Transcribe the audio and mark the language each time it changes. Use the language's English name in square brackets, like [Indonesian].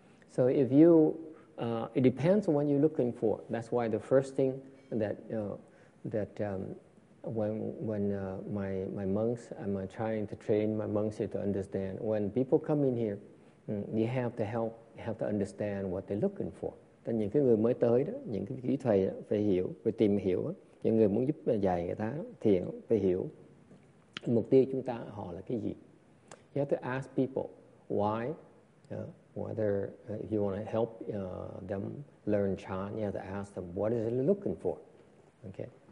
[English] So if you it depends on what you're looking for. That's why the first thing that my monks, I'm trying to train my monks here to understand when people come in here, you have to help. Have to understand what they're looking for. [Vietnamese] Tại những cái người mới tới đó, những cái quý thầy đó, phải hiểu, phải tìm hiểu. Đó. Những người muốn giúp dạy người ta thiền phải hiểu mục tiêu chúng ta họ là cái gì. [English] You have to ask people why, whether if you want to help them learn chan. You have to ask them what is it looking for. Okay.